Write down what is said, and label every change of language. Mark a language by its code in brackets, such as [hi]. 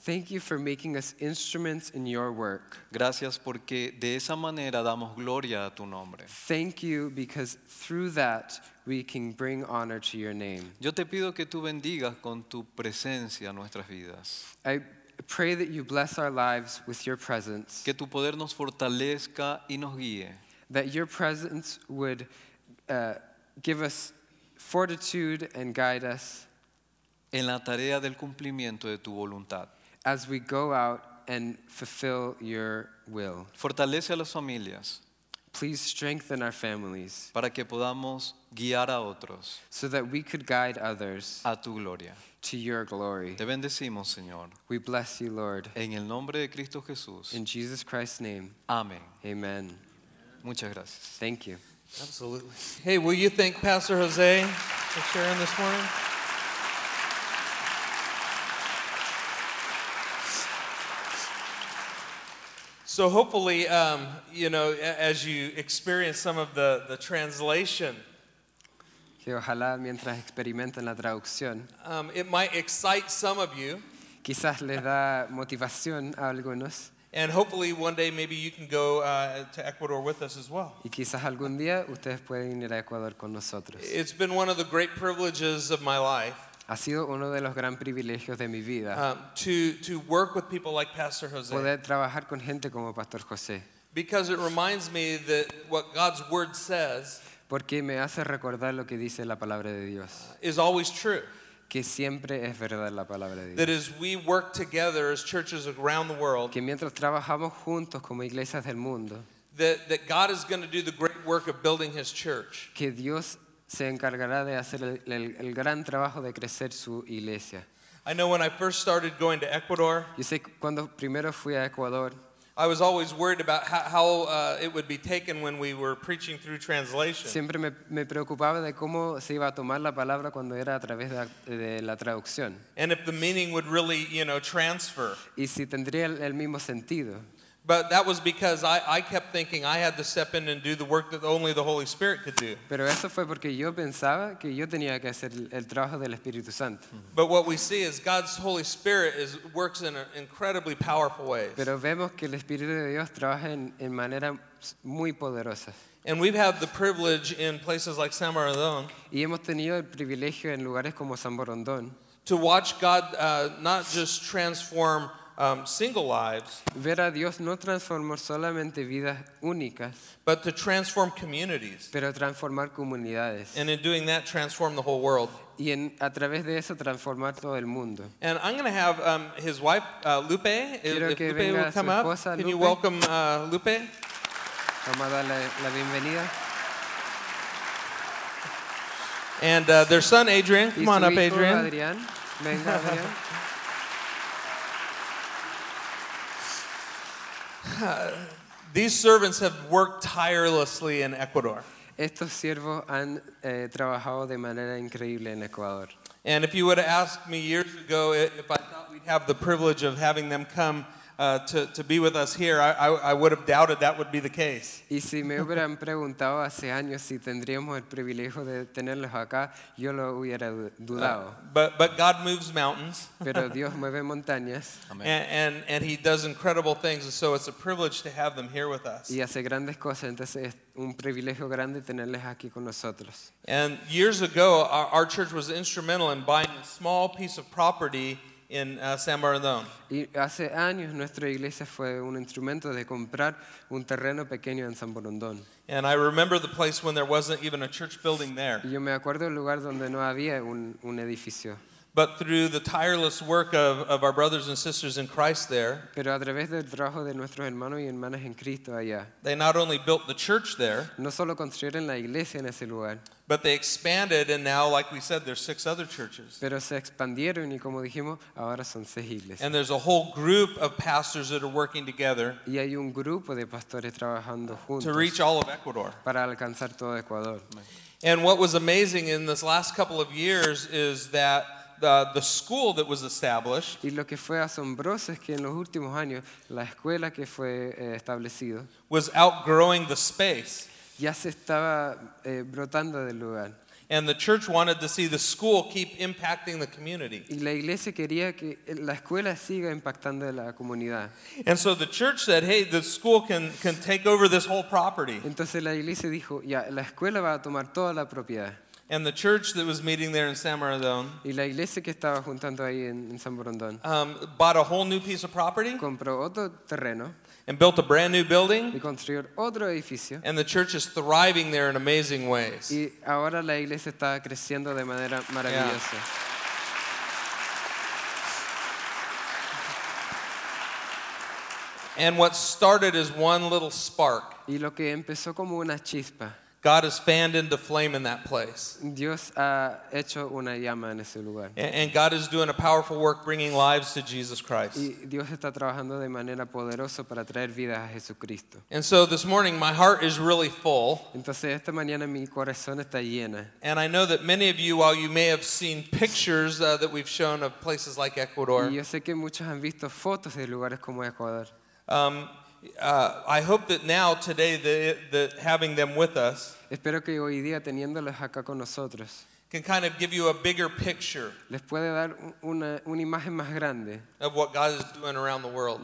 [en] Thank you for making us instruments in your work. [es] Gracias porque de esa manera damos gloria a tu nombre. [en] Thank you because through that we can bring honor to your name. [es] Yo te pido que tú bendigas con tu presencia nuestras vidas. [en] I pray that you bless our lives with your presence. [es] Que tu poder nos fortalezca y nos guíe. [en] That your presence would give us fortitude and guide us [es] en la tarea del cumplimiento de tu voluntad. [en] As we go out and fulfill your will. [es] Fortalece a las familias. [en] Please strengthen our families [es] para que podamos guiar a otros, [en] so that we could guide others [es] a tu gloria, [en] to your glory. [es] Te bendecimos, Señor. [en] We bless you, Lord. [es] En el nombre de Cristo Jesús. [en] In Jesus Christ's name. [es] Amen. [en] Amen. [es] Muchas gracias. [en] Thank you. Absolutely. Hey, will you thank Pastor Jose for sharing this morning? So hopefully, you know, as you experience some of the translation, [es] que ojalá mientras experimenten la traducción, [en] it might excite some of you. [es] Quizás le da motivación a algunos. [en] And hopefully one day maybe you can go to Ecuador with us as well. [es] Y quizás algún día ustedes pueden ir a Ecuador con nosotros. [en] It's been one of the great privileges of my life. [es] Ha sido uno de los gran privilegios de mi vida. [en] To work with people like Pastor Jose. [es] Poder trabajar con gente como Pastor José. [en] Because it reminds me that what God's word says, [es] porque me hace recordar lo que dice la palabra de Dios, [en] is always true. [es] Que siempre es verdad la palabra de Dios. [en] That as we work together as churches around the world, [es] que mientras trabajamos juntos como iglesias del mundo, [en] that God is going to do the great work of building his church. [es] Que Dios se encargará de hacer el gran trabajo de crecer su iglesia. [en] I know when I first started going to Ecuador, [es] yo sé cuando primero fui a Ecuador, [en] I was always worried about how it would be taken when we were preaching through translation. [es] Siempre me preocupaba de cómo se iba a tomar la palabra cuando era a través de la traducción. [en] And if the meaning would really, you know, transfer. [es] Y si tendría el mismo sentido. [en] But that was because I kept thinking I had to step in and do the work that only the Holy Spirit could do. [es] Pero eso fue porque yo pensaba que yo tenía que hacer el trabajo del Espíritu Santo. [en] But what we see is God's Holy Spirit works in incredibly powerful ways. [es] Pero vemos que el Espíritu de Dios trabaja en manera muy poderosa. [en] And we've had the privilege in places like San Borondón. [es] Y hemos tenido el privilegio en lugares como San Borondón. [en] To watch God not just transform single lives, [es] ver a Dios no transformó solamente vidas únicas, [en] but to transform communities, [es] pero transformar comunidades, [en] and in doing that transform the whole world, [es] y en, a través de eso transformar todo el mundo. [en] And I'm going to have his wife Lupe, [es] quiero [en] if [es] que Lupe venga [en] will come [es] su esposa, [en] up can Lupe? You welcome Lupe. [es] Vamos a darle la bienvenida. [en] And their son Adrian, come on up, Adrian. [es] Adrián. Venga, Adrián. [en] These servants have worked tirelessly in Ecuador. [es] Estos siervos han trabajado de manera increíble en Ecuador. [en] And if you would have asked me years ago if I thought we'd have the privilege of having them come to be with us here, I would have doubted that would be the case. [es] Y si me hubieran preguntado hace años si tendríamos el privilegio de tenerlos acá, yo lo hubiera dudado. [en] But God moves mountains. [es] Pero Dios mueve montañas. Amen. [en] And he does incredible things, and so it's a privilege to have them here with us. [es] Y hace grandes cosas, entonces es un privilegio grande tenerles aquí con nosotros. [en] And years ago, our church was instrumental in buying a small piece of property in San Borondón. [es] Y hace años nuestra iglesia fue un instrumento de comprar un terreno pequeño en San Borondón. [en] And I remember the place when there wasn't even a church building there. [es] Yo me acuerdo el lugar donde no había un edificio. [en] But through the tireless work of our brothers and sisters in Christ there, [es] pero a través del trabajo de nuestros hermanos y hermanas en Cristo allá, [en] they not only built the church there, [es] no solo construyeron la iglesia en ese lugar, [en] but they expanded, and now, like we said, there's six other churches. [es] Pero se expandieron y como dijimos, ahora son seis iglesias. [en] And there's a whole group of pastors that are working together, [es] y hay un grupo de pastores trabajando juntos, [en] to reach all of Ecuador. [es] Para alcanzar todo Ecuador. [en] And what was amazing in this last couple of years is that the school that was established, [es] y lo que fue asombroso es que en los últimos años la escuela que fue establecido [en] was outgrowing the space. [es] Ya se estaba brotando del lugar. [en] And the church wanted to see the school keep impacting the community. [es] Y la iglesia quería que la escuela siga impactando la comunidad. [en] And so the church said, hey, the school can take over this whole property. [es] Entonces la iglesia dijo, ya, la escuela va a tomar toda la propiedad. [en] And the church that was meeting there in San Borondón, [es] y la iglesia que estaba juntando ahí en San Borondón, [en] bought a whole new piece of property. [es] Compró otro terreno. [en] And built a brand new building. [es] Y construyó otro edificio. [en] And the church is thriving there in amazing ways. [es] Y ahora la iglesia está creciendo de manera maravillosa. [en] Yeah. And what started as one little spark, [es] y lo que empezó como una chispa, [en] God has fanned into flame in that place. [es] Dios ha hecho una llama en ese lugar. [en] And God is doing a powerful work bringing lives to Jesus Christ. [es] Y Dios está trabajando de manera poderosa para traer vida a Jesucristo. [en] And so this morning my heart is really full. [es] Entonces esta mañana mi corazón está llena. [en] And I know that many of you, while you may have seen pictures that we've shown of places like Ecuador, [es] y yo sé que muchos han visto fotos de lugares como Ecuador. [en] I hope that now, today, that having them with us, [es] espero que hoy día teniéndolos acá con nosotros, [en] can kind of give you a bigger picture, [es] les puede dar una imagen más grande, [en] of what God is doing around the world,